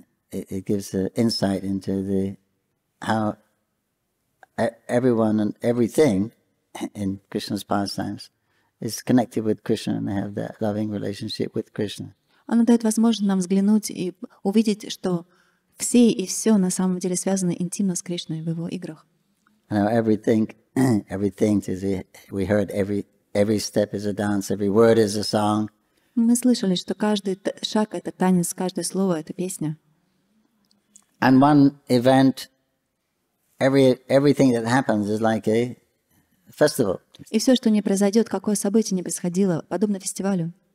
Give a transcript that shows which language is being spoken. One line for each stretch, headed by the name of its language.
English: It gives an insight into the how everyone and everything in Krishna's pastimes. Is connected with Krishna and have that loving relationship with Krishna.
Russian: Она дает возможность нам взглянуть и увидеть, что все и все на самом деле связаны интимно с Кришной в его играх.
English: Now everything is we heard every step is a dance, every word is a song.
Russian: Мы слышали, что каждый шаг это танец, каждое слово это песня.
English: And one event, everything that happens is like a festival.
Russian: И все, что не произойдет, какое событие не происходило, подобно фестивалю.